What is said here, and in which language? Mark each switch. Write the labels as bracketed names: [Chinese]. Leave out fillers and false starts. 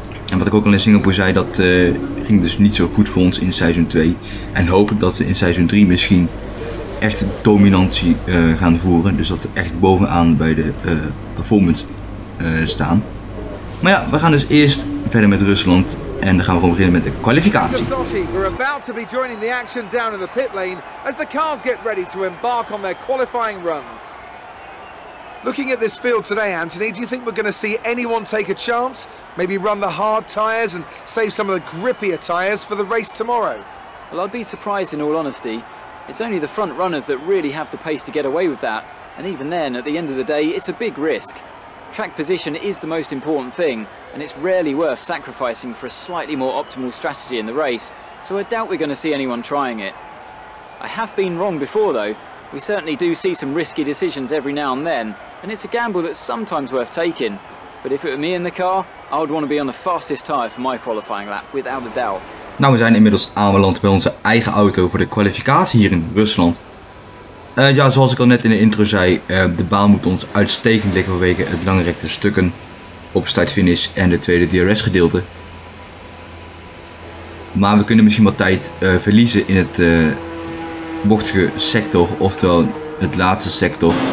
[Dutch] En wat ik ook al in Singapore zei, dat ging dus niet zo goed voor ons in seizoen 2. En hopen dat we in seizoen 3 misschien echt dominantie gaan voeren. Dus dat we echt bovenaan bij de performance staan. Maar ja, we gaan dus eerst verder met Rusland. En dan gaan we gewoon beginnen met de kwalificatie. [English] We're about to be joining the action down in the pit lane as the cars get ready to embark on their qualifying runs. Looking at this field today, Anthony, do you think we're going to see anyone take a chance? Maybe run the hard tyres and save some of the grippier tyres for the race tomorrow? Well, I'd be surprised in all honesty. It's only the front runners that really have the pace to get away with that. And even then, at the end of the day, it's a big risk. Track position is the most important thing, and it's rarely worth sacrificing for a slightly more optimal strategy in the race. So I doubt we're going to see anyone trying it. I have been wrong before, though. We certainly do see some risky decisions every now and then, and it's a gamble that's sometimes worth taking. But if it were me in the car, I would want to be on the fastest tire for my qualifying lap, without a doubt. [Dutch] Nou, we zijn inmiddels aanbeland bij onze eigen auto voor de kwalificatie hier in Rusland. Ja, zoals ik al net in de intro zei, de baan moet ons uitstekend liggen vanwege het lange rechte stukken op start-finish en de tweede DRS-gedeelte. Maar we kunnen misschien wat tijd verliezen in het bochtige sector, oftewel het laatste sector.